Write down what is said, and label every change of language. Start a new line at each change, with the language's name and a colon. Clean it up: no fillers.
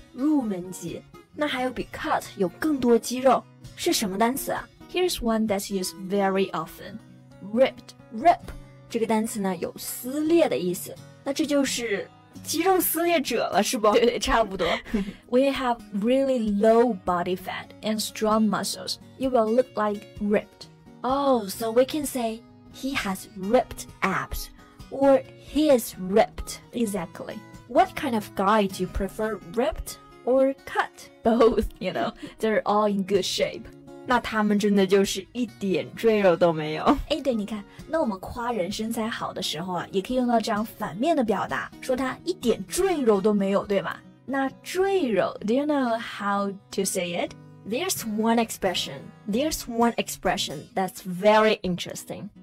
Chinese: 入门级，那还有比 cut 有更多肌肉是什么单词啊？
English: Here's one that's used very often. Ripped.
Chinese: Rip 这个单词呢有撕裂的意思，那这就是肌肉撕裂者了，是不？对对，差不多。
English: When you have really low body fat and strong muscles, you will look like ripped. Oh, so we can say he has ripped abs. Or he is ripped. Exactly. What kind of guy do you prefer, ripped or cut? Both, you know, they're all in good shape.
Chinese: 那他们真的就是一点赘肉都没有。哎，对，你看，那我们夸人身材好的时候啊，也可以用到这样反面的表达，说他一点赘肉都没有，对吗？那赘肉
English: ，Do you know how to say it? There's one expression. There's one expression that's very interesting.